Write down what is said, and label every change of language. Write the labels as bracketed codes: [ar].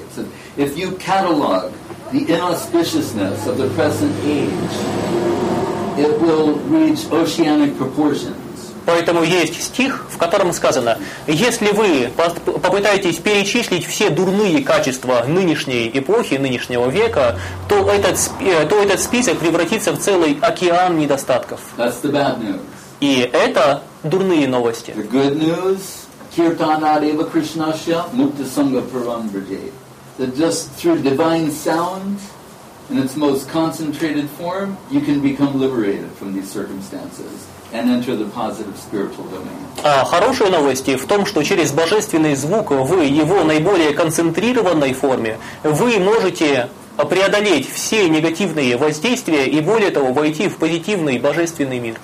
[en] It says, if you catalog the inauspiciousness of the present age, it will reach oceanic proportions. [ru] Поэтому есть стих, в котором сказано: если вы попытаетесь перечислить все дурные качества нынешней эпохи, нынешнего века, то этот список превратится в целый океан недостатков. [en] That's the bad news. [ru] И это дурные новости. [en] The good news: [sa] Kirtana Deva Krishnasya Mukta Sangha Parambraje. [en] That just through divine sound, in its most concentrated form, you can become liberated from these circumstances and enter the positive spiritual domain. [ru] А хорошие новости в том, что через божественный звук в его наиболее концентрированной форме вы можете преодолеть все негативные воздействия и, более того, войти в позитивный божественный мир.